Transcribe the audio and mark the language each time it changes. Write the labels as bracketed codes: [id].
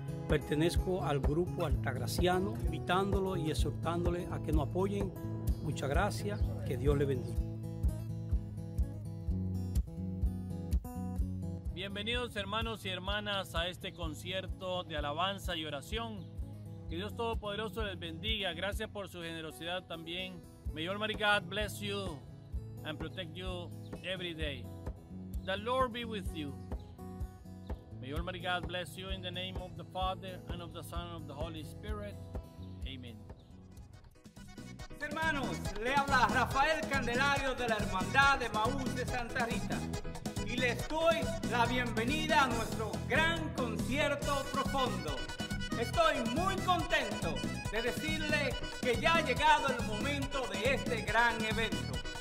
[es] Pertenezco al grupo Altagraciano, invitándolo y exhortándole a que nos apoyen. Muchas gracias. Que Dios le bendiga. Bienvenidos hermanos y hermanas a este concierto de alabanza y oración. Que Dios Todopoderoso les bendiga. Gracias por su generosidad también. [en] May Almighty God bless you and protect you every day. The Lord be with you. May Almighty God bless you in the name of the Father and of the Son and of the Holy Spirit. Amen. [es] Hermanos, le habla Rafael Candelario de la Hermandad de Emaús de Santa Rita. Y les doy la bienvenida a nuestro gran concierto profundo. Estoy muy contento de decirle que ya ha llegado el momento de este gran evento.